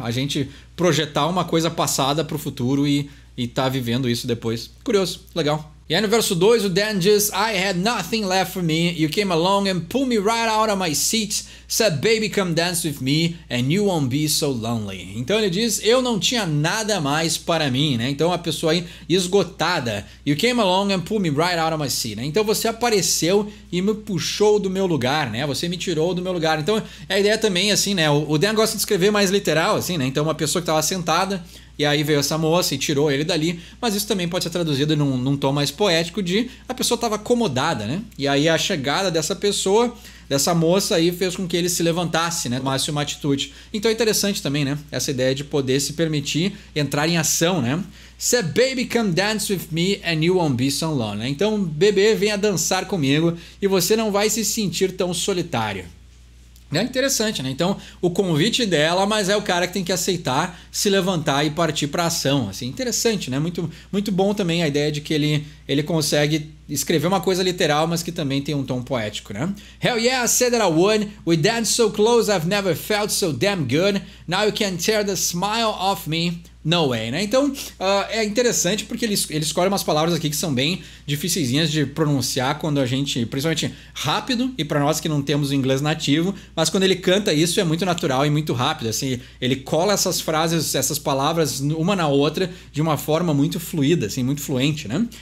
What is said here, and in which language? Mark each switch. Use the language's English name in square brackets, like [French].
[Portuguese] A gente projetar uma coisa passada pro futuro e tá vivendo isso depois. Curioso, legal. E aí no verso 2, o Dan diz, [English] I had nothing left for me, you came along and pulled me right out of my seat, said baby come dance with me and you won't be so lonely. [Portuguese] Então ele diz, eu não tinha nada mais para mim, né? Então a pessoa aí esgotada, [English] you came along and pulled me right out of my seat, [Portuguese] né? Então você apareceu e me puxou do meu lugar, né? Você me tirou do meu lugar. Então a ideia também, assim, né? O Dan gosta de escrever mais literal, assim, né? Então uma pessoa que estava sentada... E aí veio essa moça e tirou ele dali, mas isso também pode ser traduzido num tom mais poético de a pessoa estava acomodada, né? E aí a chegada dessa pessoa, dessa moça aí, fez com que ele se levantasse, né? Tomasse uma atitude. Então é interessante também, né? Essa ideia de poder se permitir entrar em ação, né? Say baby come dance with me and you won't be so alone, né? Então bebê venha dançar comigo e você não vai se sentir tão solitário. É interessante, né? Então, o convite dela, mas é o cara que tem que aceitar, se levantar e partir pra ação, assim. Interessante, né? Muito, muito bom também a ideia de que ele consegue escrever uma coisa literal, mas que também tem um tom poético, né? [English] Hell yeah, I said that I won. We danced so close, I've never felt so damn good. Now you can tear the smile off me. No way, [Portuguese] né? Então, é interessante porque ele escolhe umas palavras aqui que são bem dificilzinhas de pronunciar quando a gente, principalmente rápido, e pra nós que não temos o inglês nativo, mas quando ele canta isso é muito natural e muito rápido, assim, ele cola essas frases, essas palavras uma na outra de uma forma muito fluida, assim, muito fluente, né?